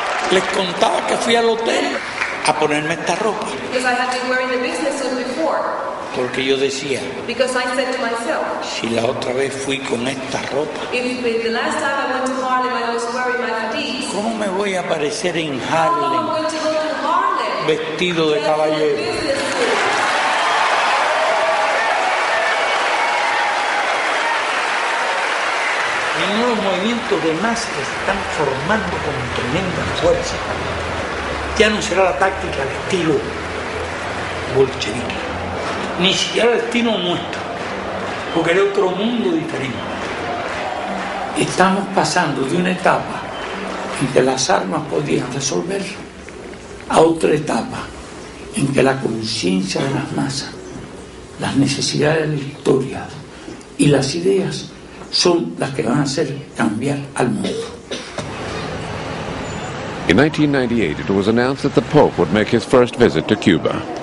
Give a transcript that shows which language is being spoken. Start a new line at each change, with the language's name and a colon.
Spanish: Les contaba que fui al hotel a ponerme esta ropa.
English: Because I had been wearing the business suit before.
Spanish: Porque yo decía,
English: because I said to myself,
Spanish: si la otra vez fui con esta ropa,
English: if the last time I went to Harlem I was wearing my fatigues,
Spanish: ¿cómo me voy a aparecer en Harlem,
English: how am I going to go to Harlem
Spanish: vestido de caballero? Uno de los movimientos de masa que se están formando con tremenda fuerza ya no será la táctica al estilo bolchevique, ni siquiera el estilo nuestro, porque era otro mundo diferente. Estamos pasando de una etapa en que las armas podían resolver a otra etapa en que la conciencia de las masas, las necesidades de la historia y las ideas son las que van a hacer cambiar al mundo.
English: In 1998, it was announced that the Pope would make his first visit to Cuba.